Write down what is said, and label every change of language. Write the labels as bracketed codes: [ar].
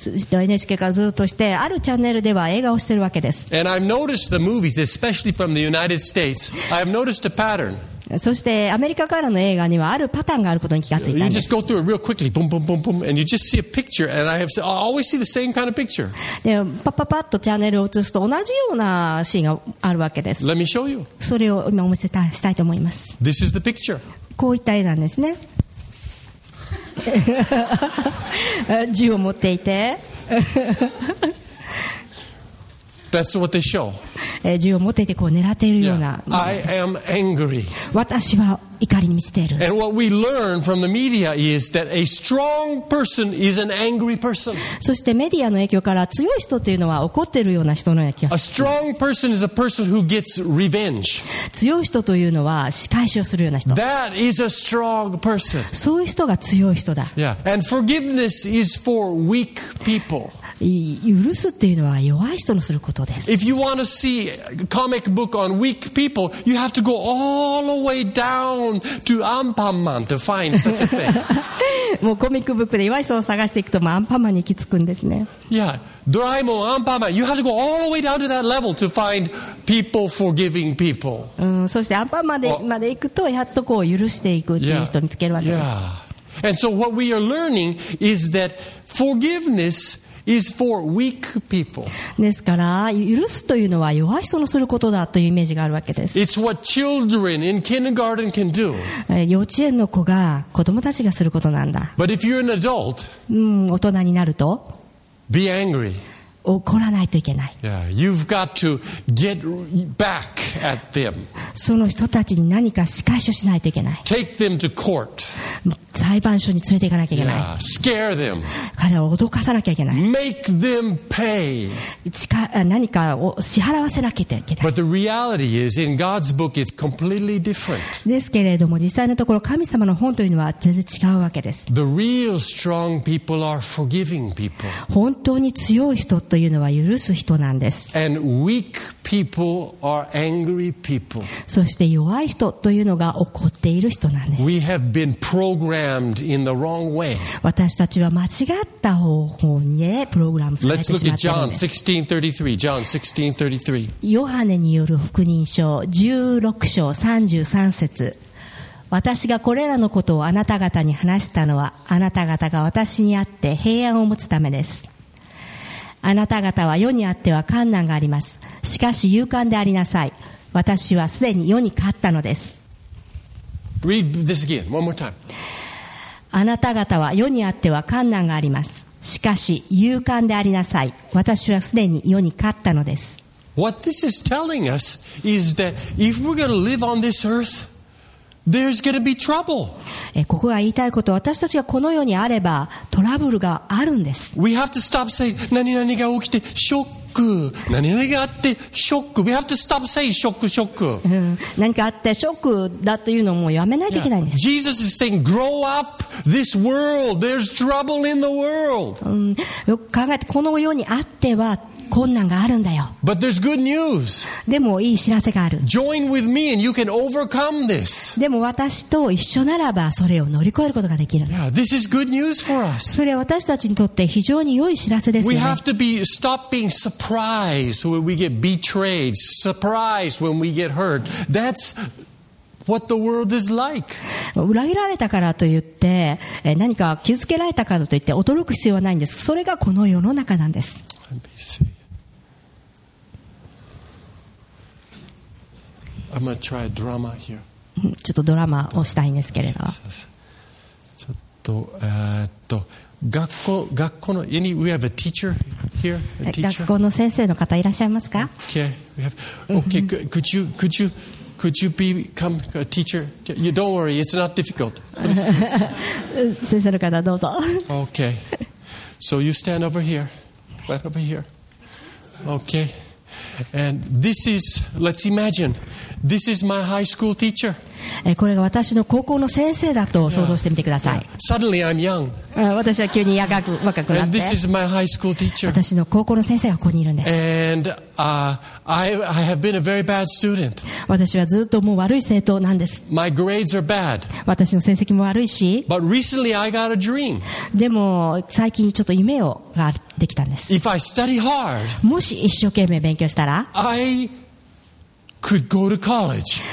[ja] NHK からずっとしてあるチャンネルでは映画をしてるわけです。 [en] And I've noticed the movies, especially from the United States. I have noticed a pattern. [ja] そしてアメリカからの映画にはあるパターンがあることに気がついたんです。 [en] You just go through it real quickly, boom, boom, boom, boom, and you just see a picture, and I always see the same kind of picture. [ja] で、パッパッパッとチャンネルを映すと同じようなシーンがあるわけです。 [en] Let me show you. [ja] それを今お見せしたいと思います。 [en] This is the picture. [ja] こういった絵なんですね。銃を持っていて。 [en] That's what they show. [ja] 銃を持っていてこう狙っているような。 [en] Yeah. I am angry. [ja] 私は怒りに満ちている。 [en] And what we learn from the media is that a strong person is an angry person. [ja] そしてメディアの影響から強い人というのは怒っているような人のような気がする。 [en] A strong person is a person who gets revenge. [ja] 強い人というのは仕返しをするような人。 [en] That is a strong person. [ja] そういう人が強い人だ。 [en] Yeah. And forgiveness is for weak people. [ja] 許すっていうのは弱い人のすることです。 [en] If you want to see a comic book on weak people, you have to go all the way down to アンパンマン to find such a thing. [ja] もうコミックブックで弱い人を探していくと、アンパンマンに行き着くんですね。 [en] Yeah, ドラえもん、アンパンマン。You have to go all the way down to that level to find people forgiving people. [ja] そしてアンパンマンまで行くと、やっとこう許していくっていう人につけるわけです。 [en] Yeah. And so what we are learning is that forgiveness is for weak people. [ja] ですから、許すというのは弱い人のすることだというイメージがあるわけです。 [en] It's what children in kindergarten can do. [ja] 幼稚園の子が子供たちがすることなんだ。 [en] But if you're an adult, [ja] 大人になると、 [en] be angry. [ja] 怒らないといけない。 [en] Yeah, you've got to get back at them. [ja] その人たちに何か仕返しをしないといけない。 [en] Take them to court. [ja] 裁判所に連れていかなきゃいけない。 [en] Yeah, scare them. [ja] 彼を脅かさなきゃいけない。 [en] Make them pay. [ja] 何かを支払わせなきゃいけない。 [en] But the reality is, in God's book, it's completely different. [ja] ですけれども、実際のところ神様の本というのは全然違うわけです。 [en] The real strong people are forgiving people. [ja] 本当に強い人というのは許す人なんです。 [en] And weak people are angry people. [ja] そして弱い人というのが怒っている人なんです。 [en] We have been programmed in the wrong way. [ja] 私たちは間違った方法にプログラムされてしまっているんです。 [en] Let's look at John 16:33. [ja] ヨハネによる福音書16章33節。私がこれらのことをあなた方に話したのは、あなた方が私にあって平安を持つためです。あなた方は世にあっては困難があります。しかし勇敢でありなさい。私はすでに世に勝ったのです。 [en] Read this again, one more time. [ja] あなた方は世にあっては困難があります。しかし勇敢でありなさい。私はすでに世に勝ったのです。 [en] What this is telling us is that if we're going to live on this earthThere's going to be trouble. [ja] ここが言いたいこと、私たちがこの世にあればトラブルがあるんです。 [en] We have to stop saying [ja] 何々が起きてショック、何々があってショック。 [en] We have to stop saying [ja] ショックショック、何かあってショックだというのをもうやめないといけないんです。 [en] Jesus is saying grow up this world. There's trouble in the world. [ja] よく考えて、この世にあっては困難があるんだよ。 [en] But there's good news. [ja] でもいい知らせがある。 [en] Join with me and you can overcome this. [ja] でも私と一緒ならばそれを乗り越えることができる。 [en] Yeah, this is good news for us. [ja] それは私たちにとって非常に良い知らせですよね。 [en] We have to be stop being surprised when we get betrayed, surprised when we get hurt. That's what the world is like. [ja] 裏切られたからといって、何か傷つけられたからといって驚く必要はないんです。それがこの世の中なんです。 [en] I'm gonna try a drama here. [ja] ちょっとドラマをしたいんですけれど。ちょっと学校の [en] any we have a teacher here. A teacher? [ja] 学校の先生の方いらっしゃいますか [en] ？Okay, we have. Okay, could you be come a teacher? You don't worry, it's not difficult. [ja] 先生の方どうぞ。 [en] Okay, so you stand over here. Right over here. Okay. And this is, let's imagine, this is my high school teacher. [ja] これが私の高校の先生だと想像してみてください。 [en] Yeah. Suddenly I'm young. [ja] 私は急に若くなって。 [en] And this is my high school teacher. [ja] 私の高校の先生がここにいるんです。 [en] And I have been a very bad student. [ja] 私はずっともう悪い生徒なんです。 [en] My grades are bad. [ja] 私の成績も悪いし。 [en] But recently I got a dream. [ja] でも最近ちょっと夢をができたんです。 [en] If I study hard, [ja] もし一生懸命勉強したら、 [en] I could go to college.